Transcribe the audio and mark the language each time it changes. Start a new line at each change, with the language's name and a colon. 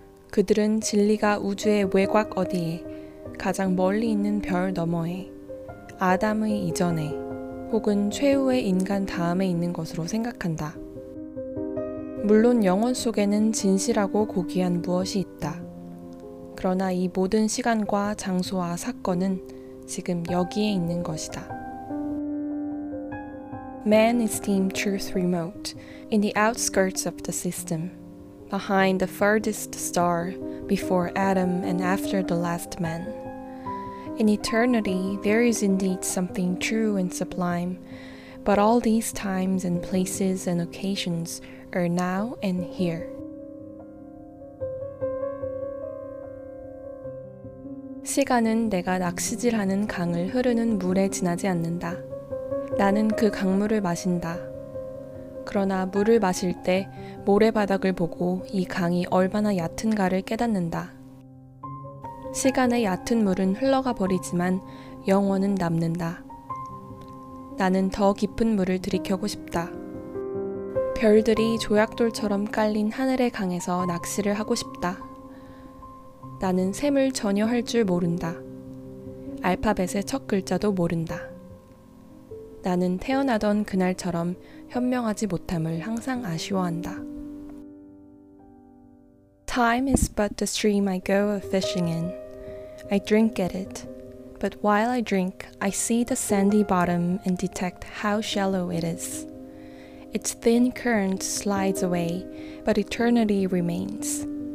Korean: 그들은 진리가 우주의 외곽 어디에, 가장 멀리 있는 별 너머에, 아담의 이전에, 혹은 최후의 인간 다음에 있는 것으로 생각한다. 물론 영혼 속에는 진실하고 고귀한 무엇이 있다. 그러나 이 모든 시간과 장소와 사건은 지금 여기에 있는 것이다.
English: Man is deemed truth remote, in the outskirts of the system, behind the furthest star, before Adam and after the last man. In eternity, there is indeed something true and sublime, but all these times and places and occasions are now and here.
Korean: 시간은 내가 낚시질하는 강을 흐르는 물에 지나지 않는다. 나는 그 강물을 마신다. 그러나 물을 마실 때 모래바닥을 보고 이 강이 얼마나 얕은가를 깨닫는다. 시간의 얕은 물은 흘러가 버리지만 영원은 남는다. 나는 더 깊은 물을 들이켜고 싶다. 별들이 조약돌처럼 깔린 하늘의 강에서 낚시를 하고 싶다. 나는 샘을 전혀 할 줄 모른다. 알파벳의 첫 글자도 모른다. 나는 태어나던 그날처럼 현명하지 못함을 항상 아쉬워한다.
English: Time is but the stream I go fishing in. I drink at it. But while I drink, I see the sandy bottom and detect how shallow it is. Its thin current slides away, but eternity remains.